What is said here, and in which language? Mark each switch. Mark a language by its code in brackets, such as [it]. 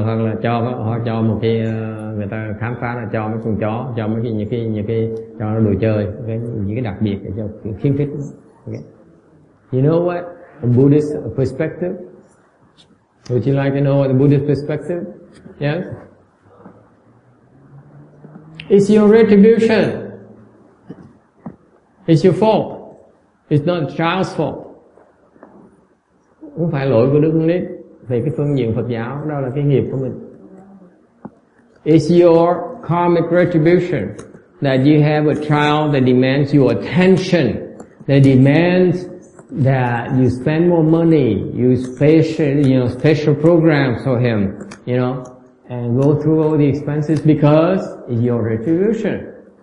[vi] Hoặc là cho một cái, người ta khám phá là cho mấy con chó, cho mấy cái, những cái cho nó đồ chơi, những cái đặc biệt để cho khiến thích. [en] Okay? You know what? A Buddhist perspective? Would you like to know the Buddhist perspective? Yes? It's your retribution. It's your fault. It's not the child's fault. [vi] Không phải lỗi của đứa con nít. về cái phương diện Phật giáo, đó là cái nghiệp của mình. [en] It's your karmic retribution that you have a trial that demands your attention, that demands that you spend more money, use special, you know, special programs for him, you know, and go through all the expenses because it's your retribution.